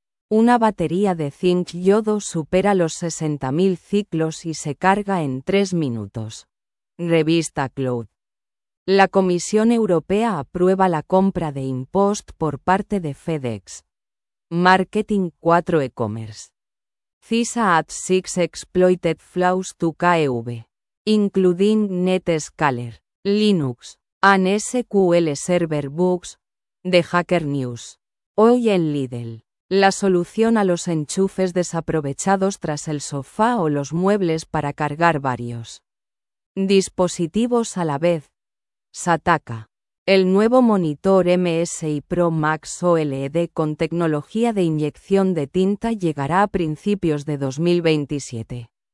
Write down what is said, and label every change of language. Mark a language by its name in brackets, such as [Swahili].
[Spanish] Una batería de zinc-yodo supera los 60.000 ciclos y se carga en 3 minutos. Revista Cloud. La Comisión Europea aprueba la compra de InPost por parte de FedEx. Marketing 4 e-commerce. [English] CISA adds 6 exploited flaws to KEV, including Netscaler, Linux, and SQL Server bugs, The Hacker News. [Spanish] Hoy en Lidl, la solución a los enchufes desaprovechados tras el sofá o los muebles para cargar varios dispositivos a la vez. Sataka. El nuevo monitor MSI Pro Max OLED con tecnología de inyección de tinta llegará a principios de 2027.